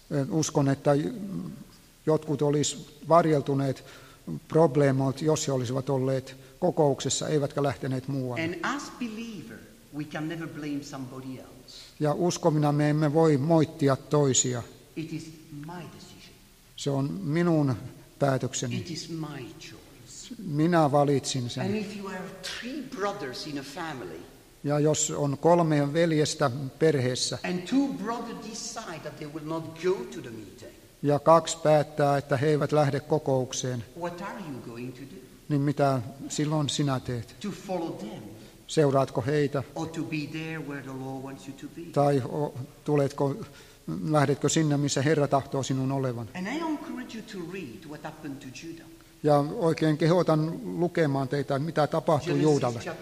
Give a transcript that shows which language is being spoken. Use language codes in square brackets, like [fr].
[fi] Uskon, että jotkut olisivat varjeltuneet probleemat, jos he olisivat olleet kokouksessa, eivätkä lähteneet muualle. [en] And as believer, we can never blame somebody else. [fi] Ja uskomina me emme voi moittia toisia. [en] It is my decision. [fi] Se on minun päätökseni. [en] It is my choice. [fi] Minä valitsin sen. [en] And if you have three brothers in a family, [fi] Ja jos on kolme veljestä perheessä. [en] And two brothers decide that they will not go to the meeting. [fi] Ja kaksi päättää, että he eivät lähde kokoukseen. [en] What are you going to do? [fi] Niin mitä silloin sinä teet? [en] To follow them. [fi] Seuraatko heitä? [en] Or to be there where the Lord wants you to be. [fi] Tai tuletko, lähdetkö sinne, missä Herra tahtoo sinun olevan? [en] And I encourage you to read what happened to Judah. [fi] Ja oikein kehotan lukemaan teitä, mitä tapahtui Juudalle.